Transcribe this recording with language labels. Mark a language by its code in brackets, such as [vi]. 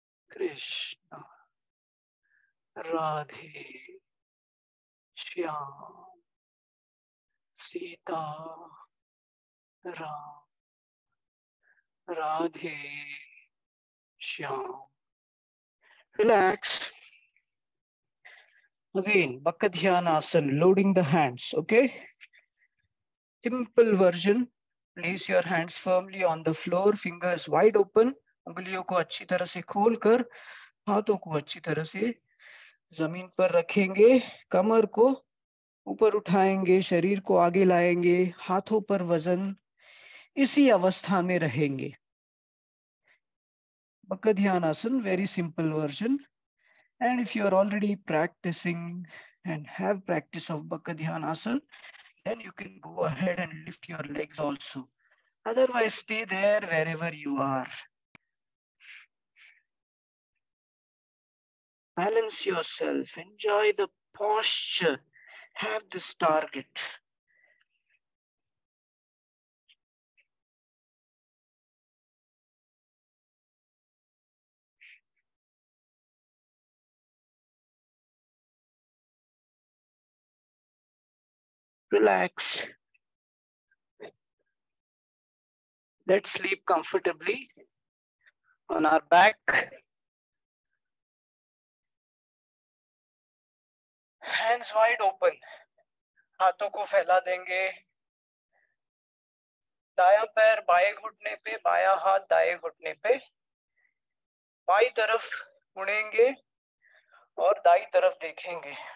[en] Krishna, Radhe, Shyam, Sita, Ram, Radhe, Shyam. Relax. Again, Bakka Dhyanasana, loading the hands, okay? Simple version. Place your hands firmly on the floor, fingers wide open. [hi] उंगलियों को अच्छी तरह से खोलकर हाथों को अच्छी तरह से जमीन पर रखेंगे, कमर को ऊपर उठाएंगे, शरीर को आगे लाएंगे, हाथों पर वजन इसी अवस्था में रहेंगे. [en] बक्क ध्यान आसन, very simple version. And if you are already practising and have practice of बक्क ध्यान आसन, then you can go ahead and lift your legs also. Otherwise stay there wherever you are. Balance yourself, enjoy the posture, have this target. Relax. Let's sleep comfortably on our back. Hands wide open, [hi] हाथों को फैला देंगे. दायां पैर बाएं घुटने पे, बायां हाथ दाएं घुटने पे. बाई तरफ मुड़ेंगे और दाई तरफ देखेंगे.